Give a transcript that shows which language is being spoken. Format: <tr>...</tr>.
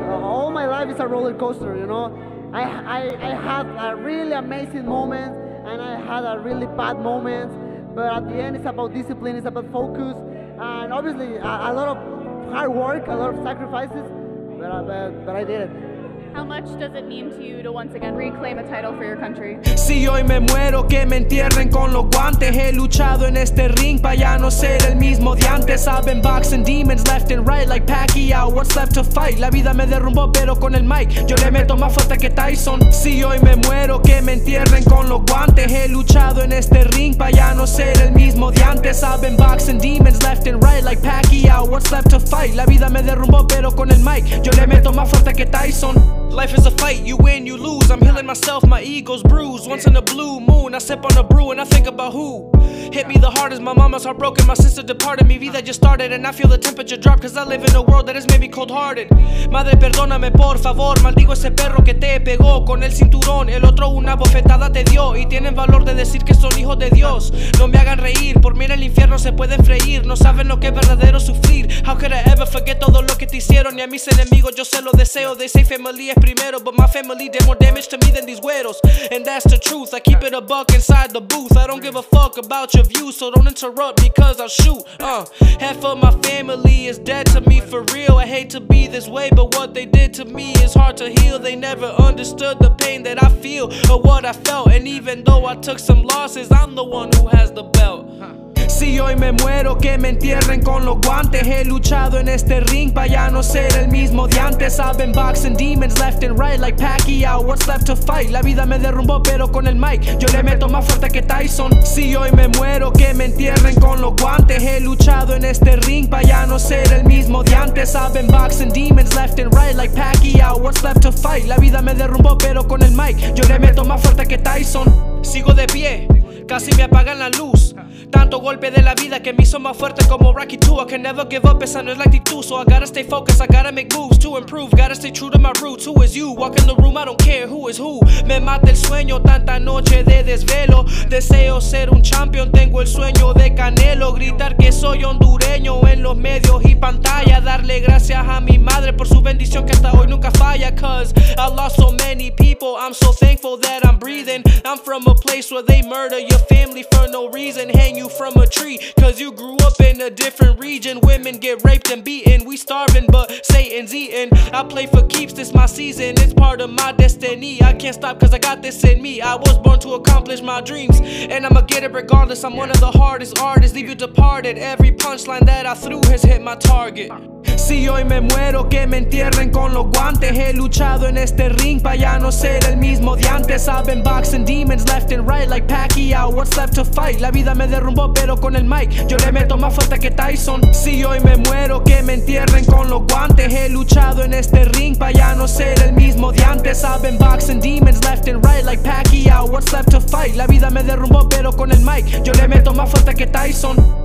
<en>All my life is a roller coaster, you know? I had a really amazing moment, and I had a really bad moment. But at the end, it's about discipline, it's about focus, and obviously a lot of hard work, a lot of sacrifices, but I did it. How much does it mean to you to once again reclaim a title for your country?</en> <es>Si hoy me muero, que me entierren con los guantes. He luchado en este ring pa' ya no ser el mismo de antes.</es> <en>I've been boxing demons left and right like Pacquiao. What's left to fight?</en> <es>La vida me derrumbó, pero con el mic yo le meto más fuerte que Tyson. Si hoy me muero, que me entierren con los guantes. He luchado en este ring pa' ya no ser el mismo de antes. I've been boxing demons left and right like Pacquiao.</es> <en>What's left to fight?</en> <es>La vida me derrumbó, pero con el mic yo le meto más fuerte que Tyson.</es> <en>Life is a fight, you win, you lose. I'm healing myself, my ego's bruised. Once in a blue moon, I sip on a brew and I think about who hit me the hardest. My mama's heart broken, my sister departed.</en> <es>Mi vida</es> <en>just started and I feel the temperature drop, cause I live in a world that has made me cold hearted.</en> <es>Madre, perdóname por favor. Maldigo ese perro que te pegó con el cinturón. El otro una bofetada te dio. Y tienen valor de decir que son hijos de Dios. No me hagan reír, por mí en el infierno se pueden freír. No saben lo que es verdadero sufrir.</es> <en>How could I ever forget</en> <es>todo lo que te hicieron? Y a mis enemigos yo se lo deseo.</es> <en>They say family</en> <es>es primero,</es> <en>but my family did more damage to me than these güeros. And that's the truth, I keep it a buck inside the booth. I don't give a fuck about your view, so don't interrupt because I'll shoot. Half of my family is dead to me for real. I hate to be this way, but what they did to me is hard to heal. They never understood the pain that I feel or what I felt. And even though I took some losses, I'm the one who has the belt.</en> <es>Si hoy me muero, que me entierren con los guantes. He luchado en este ring pa' ya no ser el mismo de antes.</es> <en>I've been boxing demons left and right like Pacquiao. What's left to fight?</en> <es>La vida me derrumbó, pero con el mic yo le meto más fuerte que Tyson. Si hoy me muero, que me entierren con los guantes. He luchado en este ring pa' ya no ser el mismo de antes.</es> <en>I've been boxing demons left and right like Pacquiao. What's left to fight?</en> <es>La vida me derrumbó, pero con el mic yo le meto más fuerte que Tyson. Sigo de pie, casi me apagan la luz. Tanto golpe de la vida que me hizo más fuerte como Rocky 2.</es> <en>I can never give up,</en> <es>esa no es la actitud.</es> <en>So I gotta stay focused, I gotta make moves to improve. Gotta stay true to my roots, who is you? Walk in the room, I don't care who is who.</en> <es>Me mata el sueño, tanta noche de desvelo. Deseo ser un champion, tengo el sueño de Canelo. Gritar que soy hondureño en los medios y pantalla. Darle gracias a mi madre por su bendición que hasta hoy nunca falla.</es> <en>Cause I lost so many people, I'm so thankful that I'm breathing. I'm from a place where they murder your family for no reason. Hang you from a tree, cause you grew up in a different region. Women get raped and beaten, we starving, but Satan's eating. I play for keeps, this my season, it's part of my destiny. I can't stop cause I got this in me. I was born to accomplish my dreams, and I'ma get it regardless. I'm one of the hardest artists, leave you departed. Every punchline that I threw has hit my target.</en> <es>Si hoy me muero, que me entierren con los guantes. He luchado en este ring pa' ya no ser el mismo de antes.</es> <en>I've been boxing demons left and right like Pacquiao. What's left to fight?</en> <es>La vida me derrumbó, pero con el mic yo le meto más fuerte que Tyson. Si hoy me muero, que me entierren con los guantes. He luchado en este ring pa' ya no ser el mismo de antes.</es> <en>I've been boxing demons left and right like Pacquiao. What's left to fight?</en> <es>La vida me derrumbó, pero con el mic yo le meto más fuerte que Tyson.</es>